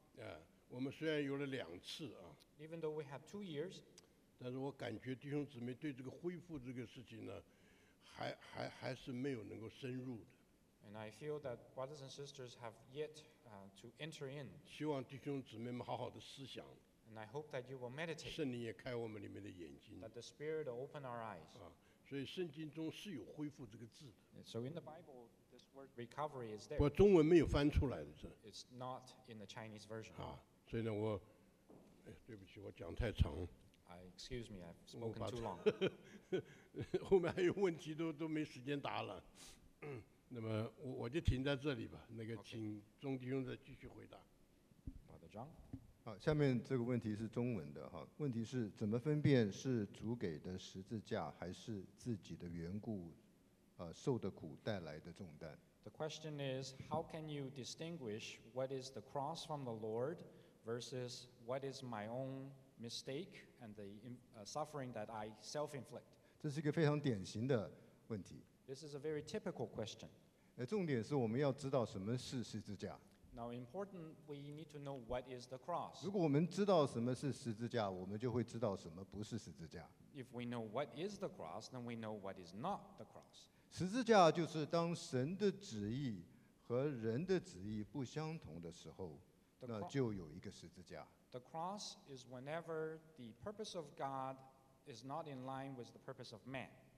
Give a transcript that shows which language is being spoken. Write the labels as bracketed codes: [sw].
[zh] Yeah, 我们虽然有了两次啊。 [en] Even though we have 2 years. [zh] 但是我感觉弟兄姊妹对这个恢复这个事情呢，还是没有能够深入的。 [en] And I feel that brothers and sisters have yet to enter in. [zh] 希望弟兄姊妹们好好的思想。 [en] And I hope that you will meditate. [zh] 圣灵也开我们里面的眼睛。 [en] That the Spirit will open our eyes. 啊。 [zh] 所以圣经中是有恢复这个字的。 [en] So in the Bible, this word recovery is there. [zh] 不过中文没有翻出来的是。 [en] It's not in the Chinese version. [zh] 啊，所以呢，我，哎，对不起，我讲太长。 [en] Excuse me, I've spoken too long. [zh] 后面还有问题都没时间答了。嗯，那么我就停在这里吧。那个，请钟弟兄再继续回答。 [en] Brother John. [zh] 好，下面这个问题是中文的哈。问题是怎么分辨是主给的十字架，还是自己的缘故，受的苦带来的重担 [en] ？The question is, how can you distinguish what is the cross from the Lord versus what is my own mistake and the suffering that I self-inflict？ [zh] 这是一个非常典型的问题。 [en] This is a very typical question。 [zh] 重点是我们要知道什么是十字架。 [en] Now, important, we need to know what is the cross. [zh] 如果我们知道什么是十字架，我们就会知道什么不是十字架。 [en] If we know what is the cross, then we know what is not the cross. [zh] 十字架就是当神的旨意和人的旨意不相同的时候，那就有一个十字架。 [en] The cross is whenever the purpose of God is not in line with the purpose of man.